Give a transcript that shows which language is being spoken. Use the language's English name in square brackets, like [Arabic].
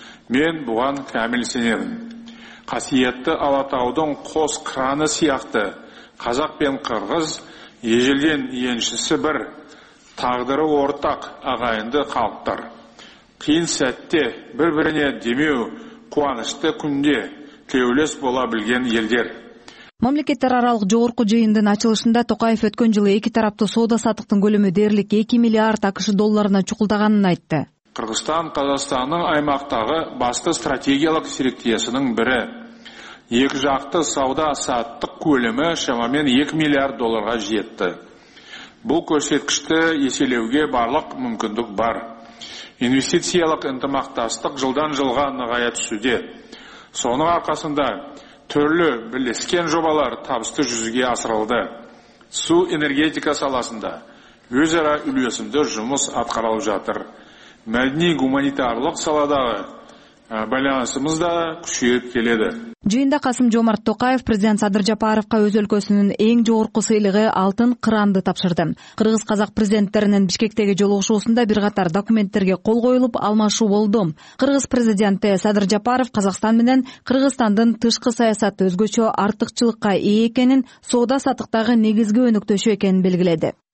[Kazakh] Мен бұған кәміл сенемін. Қасиетті Алатаудың қос қыраны сияқты қазақ пен қырғыз ежелден еншісі бір, тағдыры ортақ ағайынды халықтар. Қиын сәтте бір-біріне демеу, қуанышты күнде тілеулес бола білген елдер. [Kyrgyz] Мамлекеттер аралык жогорку жыйындын ачылышында Токаев өткөн жылы эки тараптуу соода саттыктын көлөмү дээрлик 2 миллиард АКШ долларына чукулдаганын айтты. Кыргызстан Казакстандын аймактагы басты стратегиялык сериктесинің бири. [Kazakh] Екі жақты сауда саттық көлемі шамамен 2 миллиард долларға жетті. Бұл көрсеткішті еселеуге барлық мүмкіндік бар. Инвестициялық ынтымақтастық жылдан жылға нығая түсуде. Соның арқасында түрлі бірлескен жобалар табысты жүзеге асырылды. Су энергетика саласында өзара үлесімді жұмыс атқарылып жатыр. Мәдени-гуманитарлық саладағы байланысымыз да күшейіп келеді. [Kyrgyz] Жиында Касым Жомарт Токаев президент Садыр Жапаровқа өз өлкөсүнүн эң жогорку сыйлыгы алтын кыранды тапшырды. Кыргыз-казак президенттеринин Бишкектеги жолугушуусунда бир катар документтерге кол коюлуп алмашуу болду. Кыргыз президенти Садыр Жапаров Казакстан менен Кыргызстандын тышкы саясаты өзгөчө артыкчылыкка ээ экенин, соода сатыктагы негизги өнүктөшү экенин белгиледи.